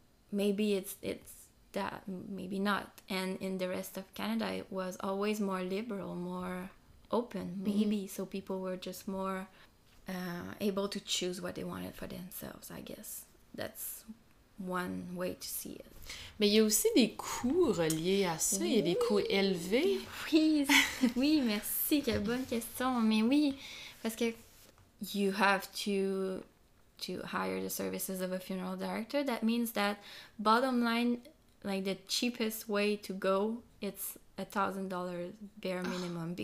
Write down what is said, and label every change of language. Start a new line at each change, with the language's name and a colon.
English: maybe it's that, maybe not. And in the rest of Canada, it was always more liberal, more open, maybe. Mm-hmm. So people were just more able to choose what they wanted for themselves, I guess. That's one way to see it.
French: Mais il y a aussi des coûts reliés à ça. Oui. Il y a des coûts élevés. Oui, oui, merci. Quelle bonne question. Mais oui, parce que
English: you have to hire the services of a funeral director. That means that bottom line, like the cheapest way to go, it's $1,000 bare minimum. Oh.